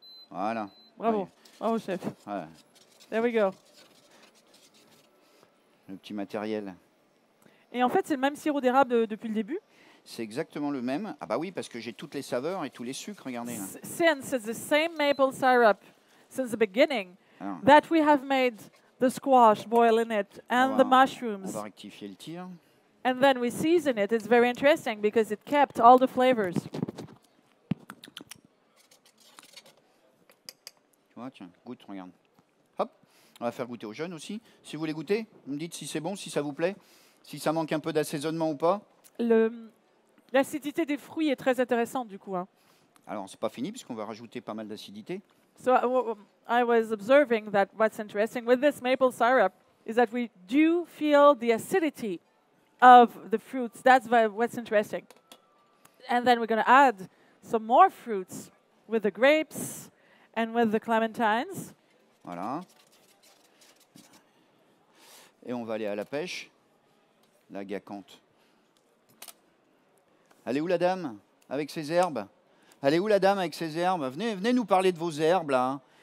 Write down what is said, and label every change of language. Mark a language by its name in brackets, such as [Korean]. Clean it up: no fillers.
[French] Voilà. Bravo. Allez. Bravo, chef. Voilà. [English] There we go. [French] Le petit matériel. Et en fait, c'est le même sirop d'érable depuis le début. C'est exactement le même. Ah bah oui, parce que j'ai toutes les saveurs et tous les sucres, regardez. Là. [English] Since it's the same maple syrup since the beginning, alors, that we have made the squash boil in it and the mushrooms. [French] On va rectifier le tir. [English] And then we season it. It's very interesting because it kept all the flavors. [French] Tu vois, tiens, goûte, regarde. Hop, on va faire goûter aux jeunes aussi. Si vous voulez goûter, vous me dites si c'est bon, si ça vous plaît, si ça manque un peu d'assaisonnement ou pas. L'acidité des fruits est très intéressante, du coup. Hein. Alors, c'est pas fini, puisqu'on va rajouter pas mal d'acidité. [English] So, I was observing that what's interesting with this maple syrup is that we do feel the acidity of the fruits. That's what's interesting. And then we're going to add some more fruits with the grapes and with the clementines. [French] Voilà. Et on va aller à la pêche, la gacante. Elle est où la dame avec ses herbes? Elle est où la dame avec ses herbes? Venez, venez nous parler de vos herbes là.